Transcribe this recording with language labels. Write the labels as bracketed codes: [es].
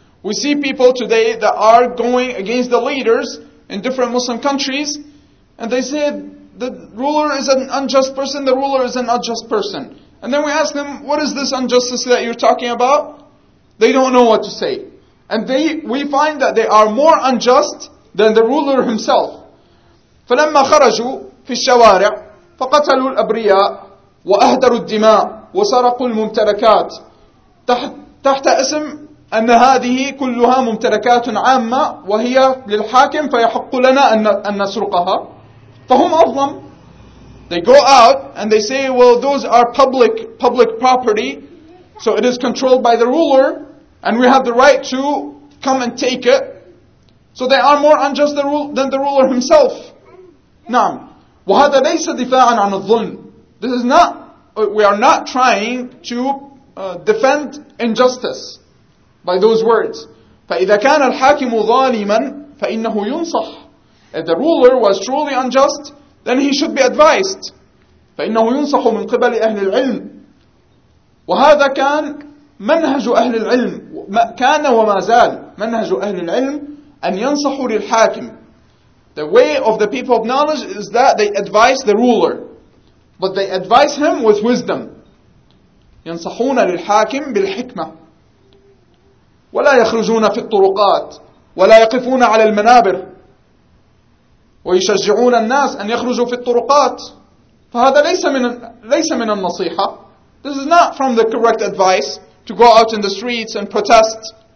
[en] We see people today that are going against the leaders in different Muslim countries, and they say the ruler is an unjust person, the ruler is an unjust person. And then we ask them, what is this injustice that you're talking about? They don't know what to say. And we find that they are more unjust than the ruler himself. [ar] فلما خرجوا في الشوارع فقتلوا الأبرياء وأهدروا الدماء وسرقوا الممتلكات تحت اسم أن هذه كلها ممتلكات عامة وهي للحاكم فيحق لنا أن نسرقها. فهم أظلم. [en] They go out and they say, well, those are public property, so it is controlled by the ruler, and we have the right to come and take it. So they are more unjust than the ruler himself. [ar] نعم. وهذا ليس دفاعا عن الظلم. [en] This is not, we are not trying to defend injustice by those words. [ar] فإذا كان الحاكم ظالما فإنه ينصح. [en] If the ruler was truly unjust, then he should be advised. [ar] فإنه ينصح من قبل أهل العلم. وهذا كان منهج أهل العلم، كان وما زال منهج أهل العلم أن ينصحوا للحاكم. [en] The way of the people of knowledge is that they advise the ruler, but they advise him with wisdom. [ar] ينصحون للحاكم بالحكمة. ولا يخرجون في الطرقات ولا يقفون على المنابر ويشجعون الناس أن يخرجوا في الطرقات. فهذا ليس من النصيحة. [en] This is not from the correct advice to go out in the streets and protest.